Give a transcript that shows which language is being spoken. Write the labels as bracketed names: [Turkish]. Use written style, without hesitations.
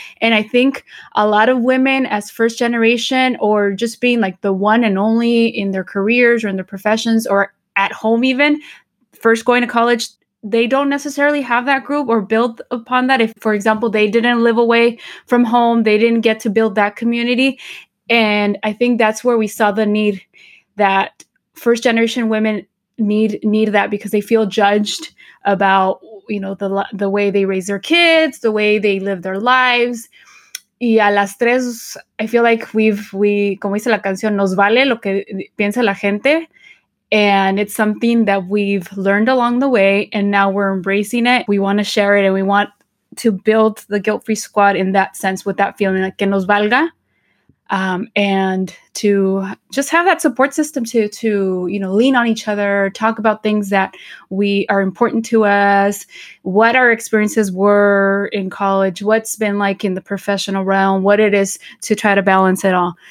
[English] And I think a lot of women as first generation, or just being like the one and only in their careers or in their professions or at home, even first going to college, they don't necessarily have that group or build upon that. If, for example, they didn't live away from home, they didn't get to build that community. And I think that's where we saw the need, that first generation women need that, because they feel judged about, you know, the way they raise their kids, the way they live their lives. [Spanish] Y a las tres, [English] I feel like we [Spanish] como dice la canción, nos vale lo que piensa la gente. [English] And it's something that we've learned along the way, and now we're embracing it. We want to share it, and we want to build the guilt-free squad in that sense, with that feeling, like, [Spanish] que nos valga, [English] and to just have that support system to you know, lean on each other, talk about things that are important to us, what our experiences were in college, what's been like in the professional realm, what it is to try to balance it all.